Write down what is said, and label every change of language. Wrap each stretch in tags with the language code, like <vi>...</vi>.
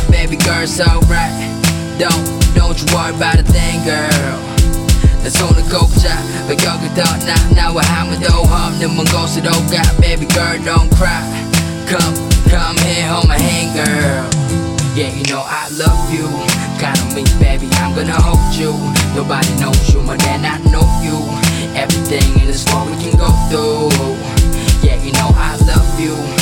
<en>Baby girl, it's alright. Don't you worry about a thing, girl.</en> <ko>내 손을 꼭 잡아 여기 떠나 나와 아무도 없는 먼 곳으로 가.</ko> <en>Baby girl, don't cry. Come here, hold my hand, girl. Yeah, you know I love you. Kind of means, baby, I'm gonna hold you. Nobody knows you more than I know you. Everything in this world we can go through. Yeah, you know I love you.</en>